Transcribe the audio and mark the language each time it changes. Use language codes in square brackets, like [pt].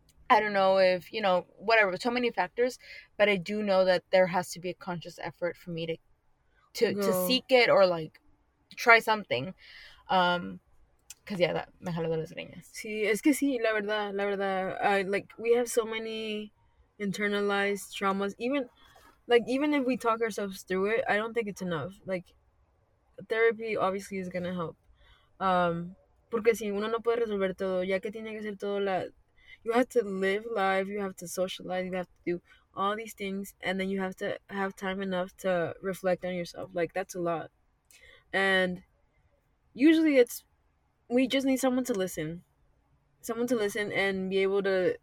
[en] I don't know if, you know, whatever. So many factors. But I do know that there has to be a conscious effort for me to seek it or, like, try something. Because, that [es] me jaló de las greñas. Sí, es que sí, la verdad. [en] Like, we have so many internalized traumas. Even if we talk ourselves through it, I don't think it's enough. Like, therapy obviously is going to help. [es] Porque si uno no puede resolver todo, ya que tiene que ser todo la... [en] You have to live life, you have to socialize, you have to do all these things, and then you have to have time enough to reflect on yourself. Like, that's a lot. And usually it's... We just need someone to listen. Someone to listen and be able to...